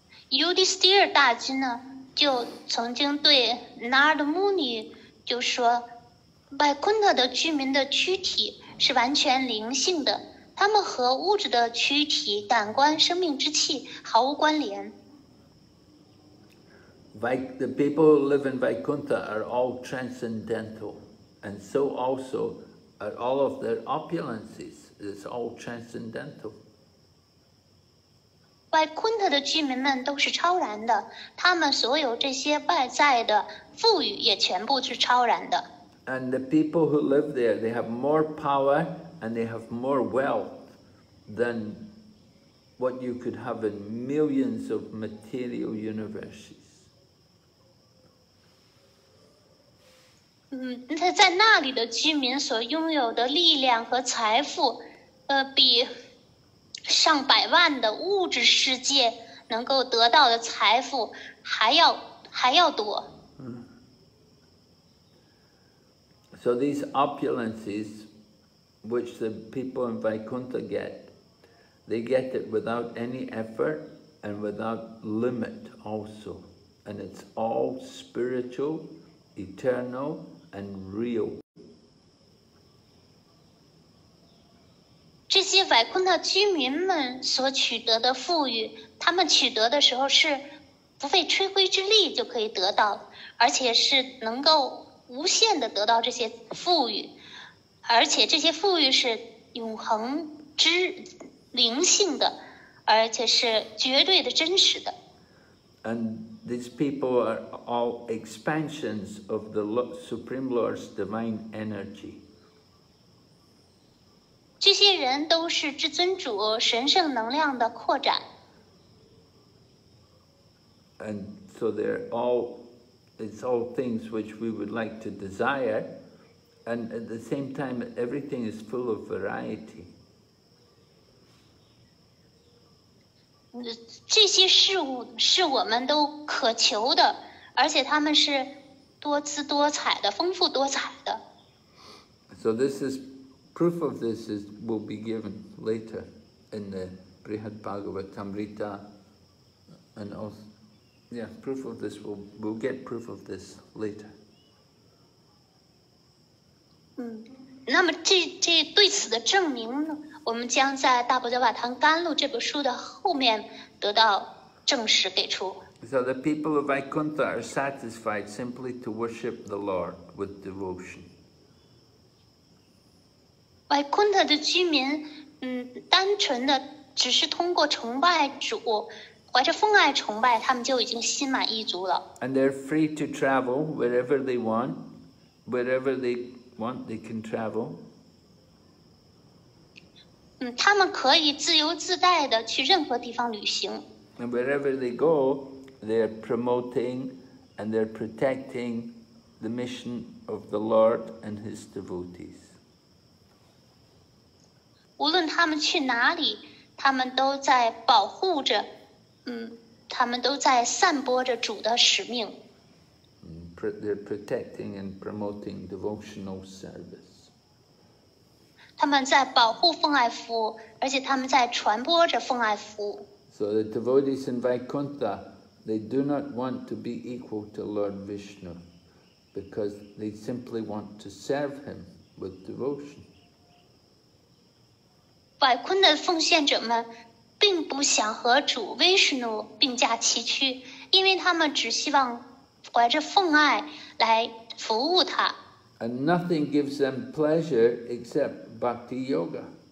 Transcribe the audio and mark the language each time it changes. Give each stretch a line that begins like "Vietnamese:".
Chinese: Yudhisthira 大君呢，就曾经对 Narada Muni 就说，百昆特的居民的躯体是完全灵性的，他们和物质的躯体、感官、生命之气毫无关联。
English: The people who live in Vaikuntha are all transcendental, and so also are all of their opulences. It's all transcendental.
Chinese: 百昆特的居民们都是超然的，他们所有这些外在的富裕也全部是超然的。
English: And the people who live there, they have more power and they have more wealth than what you could have in millions of material universes.
Chinese: 在那里的居民所拥有的力量和财富，比上百万的物质世界能够得到的财富还要多。
English: So these opulences, which the people in Vaikuntha get, they get it without any effort and without limit also. And it's all spiritual, eternal, and real.
Chinese: 这些 Vaikuntha 居民们所取得的富裕，他们取得的时候是不费吹灰之力就可以得到，而且是能够无限地得到这些富裕，而且这些富裕是永恒之灵性的，而且是绝对的真实的。
English: And these people are all expansions of the Supreme Lord's divine energy.
Chinese: 这些人都是至尊主神圣能量的扩展。
English: And so they're all. It's all things which we would like to desire, and at the same time, everything is full of variety.
Chinese: 这些事物是我们都渴求的，而且他们是多姿多彩的，丰富多彩的。
English: So this is proof of this is will be given later in the Brihad Bhagavatamrita, and also. Yeah, proof of this, we'll get proof of this later.
Chinese: 那么这对此的证明呢，我们将在《大宝教法堂甘露》这本书的后面得到证实给出。
English: So the people of Vaikuntha are satisfied simply to worship the Lord with devotion.
Chinese: Vaikuntha 的居民，单纯的只是通过崇拜主，怀着奉爱崇拜，他们就已经心满意足了。
English: And they're free to travel wherever they want. Wherever they want, they can travel.
Chinese: 他们可以自由自在地去任何地方旅行。
English: And wherever they go, they're promoting and they're protecting the mission of the Lord and his devotees.
Chinese: 无论他们去哪里，他们都在保护着，他们都在散播着主的使命。
English: They're protecting and promoting devotional service.
Chinese: 他们在保护奉爱服务，而且他们在传播着奉爱服务。
English: So the devotees in Vaikuntha, they do not want to be equal to Lord Vishnu, because they simply want to serve him with devotion.
Chinese: 百昆的奉献者们并不想和主维什努并驾齐驱，因为他们只希望怀着奉爱来服务他。
English: And nothing gives them pleasure except bhakti yoga.